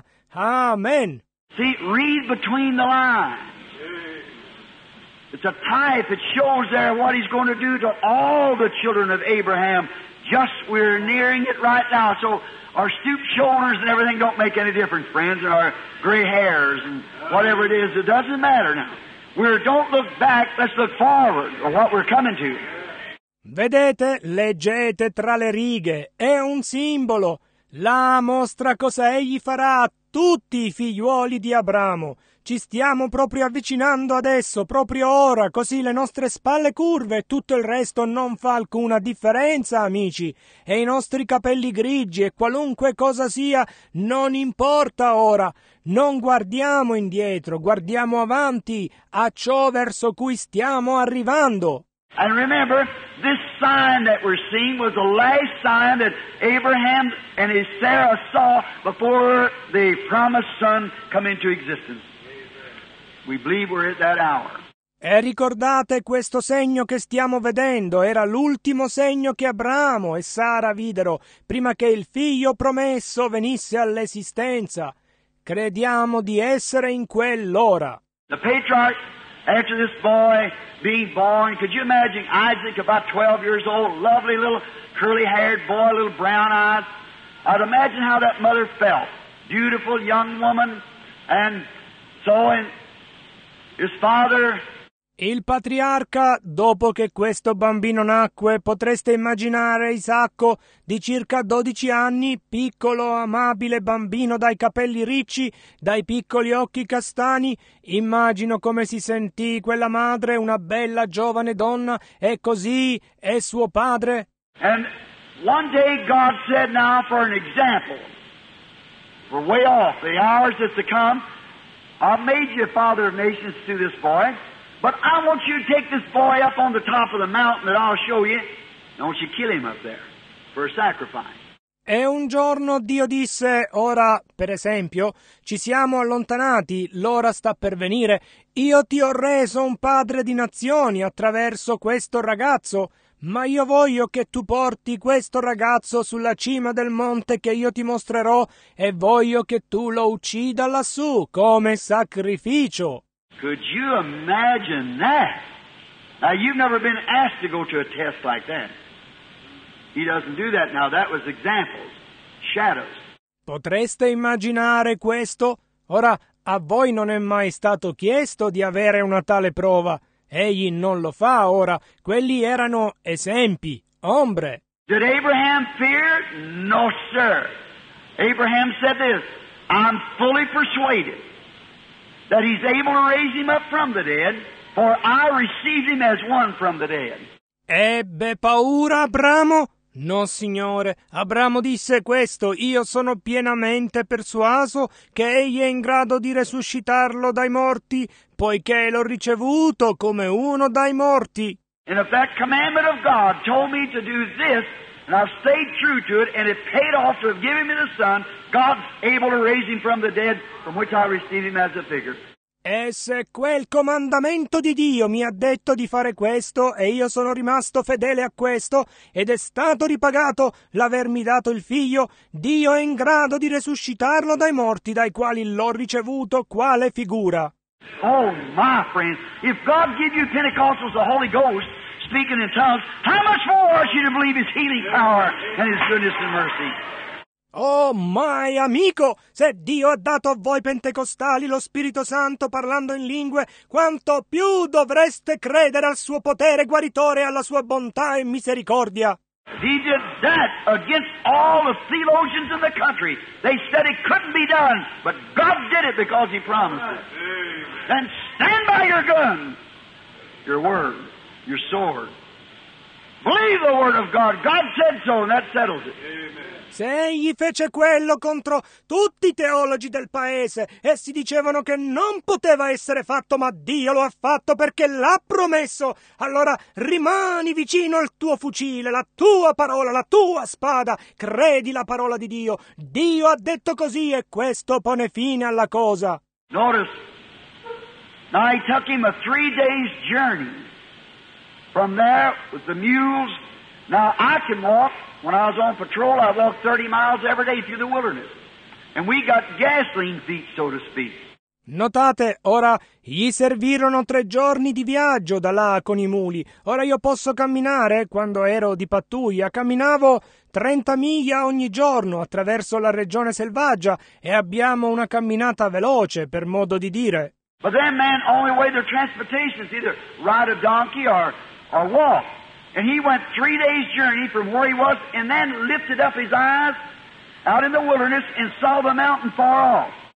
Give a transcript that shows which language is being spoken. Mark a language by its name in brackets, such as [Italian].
[English] Amen. See, read between the lines. It's a type. It shows there what he's going to do to all the children of Abraham. Just we're nearing it right now. So our stooped shoulders and everything don't make any difference, friends. Our gray hairs and whatever it is, it doesn't matter now. Don't look back, let's look forward or what we're coming to. [Italian] Vedete, leggete tra le righe. È un simbolo. La mostra cosa egli farà a tutti i figliuoli di Abramo. Ci stiamo proprio avvicinando adesso, proprio ora, così le nostre spalle curve e tutto il resto non fa alcuna differenza, amici. E i nostri capelli grigi e qualunque cosa sia, non importa ora. Non guardiamo indietro, guardiamo avanti a ciò verso cui stiamo arrivando. [English] And remember, this sign that we're seeing was the last sign that Abraham and his Sarah saw before the promised son come into existence. We believe we're at that hour. [Italian] E ricordate questo segno che stiamo vedendo, era l'ultimo segno che Abramo e Sara videro prima che il figlio promesso venisse all'esistenza. Crediamo di essere in quell'ora. [English] The patriarch, after this boy being born, could you imagine Isaac about 12 years old, lovely little curly-haired boy, little brown eyes? I'd imagine how that mother felt. Beautiful young woman, and so in his father. [Italian] Il patriarca, dopo che questo bambino nacque, potreste immaginare Isacco di circa 12 anni, piccolo, amabile bambino dai capelli ricci, dai piccoli occhi castani. Immagino come si sentì quella madre, una bella giovane donna, e così è suo padre. [English] And one day God said, now for an example, for way off, the hours that's to come, I've made you father of nations to this boy. But I want you to take this boy up on the top of the mountain that I'll show you. Don't you kill him up there for a sacrifice. [Italian] E un giorno Dio disse, ora, per esempio, ci siamo allontanati, l'ora sta per venire. Io ti ho reso un padre di nazioni attraverso questo ragazzo, ma io voglio che tu porti questo ragazzo sulla cima del monte che io ti mostrerò e voglio che tu lo uccida lassù come sacrificio. [English] Could you imagine that? Now, you've never been asked to go to a test like that. He doesn't do that now. That was examples, shadows. [Italian] Potreste immaginare questo? Ora, a voi non è mai stato chiesto di avere una tale prova. Egli non lo fa ora. Quelli erano esempi, ombre. [English] Did Abraham fear? No, sir. Abraham said this, I'm fully persuaded that he's able to raise him up from the dead, for I received him as one from the dead. [Italian] Ebbe paura Abramo? No, signore. Abramo disse questo, io sono pienamente persuaso che egli è in grado di resuscitarlo dai morti, poiché l'ho ricevuto come uno dai morti. [English] And if that commandment of God told me to do this, and I've stayed true to it, and it paid off to have given me the son, God's able to raise him from the dead, from which I receive him as a figure. [Italian] E se quel comandamento di Dio mi ha detto di fare questo, e io sono rimasto fedele a questo, ed è stato ripagato l'avermi dato il figlio, Dio è in grado di resuscitarlo dai morti dai quali l'ho ricevuto quale figura. [English] Oh, my friends, if God give you Pentecostals the Holy Ghost, speaking in tongues, how much more are you to believe his healing power and his goodness and mercy? Oh, my [Italian] amico, se Dio ha dato a voi pentecostali lo Spirito Santo parlando in lingue, quanto più dovreste credere al suo potere guaritore e alla sua bontà e misericordia. [English] He did that against all the theologians in the country. They said it couldn't be done, but God did it because he promised it. Then stand by your gun, your word, your sword. Believe the word of God. God said so, and that settles it. [Italian] Se egli fece quello contro tutti i teologi del paese, essi dicevano che non poteva essere fatto, ma Dio lo ha fatto perché l'ha promesso. Allora rimani vicino al tuo fucile, la tua parola, la tua spada. Credi la parola di Dio. Dio ha detto così e questo pone fine alla cosa. [English] Notice, now he took him a 3 days journey from there with the mules. Now I can walk. When I was on patrol, I walked 30 miles every day through the wilderness. And we got gasoline feet, so to speak. [Italian] Notate, ora, gli servirono 3 giorni di viaggio da là con i muli. Ora io posso camminare, quando ero di pattuglia, camminavo 30 miglia ogni giorno attraverso la regione selvaggia e abbiamo una camminata veloce, per modo di dire. [English] But then, man, only way their transportation is either ride a donkey or walk. And he went 3 days journey from where he was and then lifted up his eyes out in the wilderness and saw the mountain far off.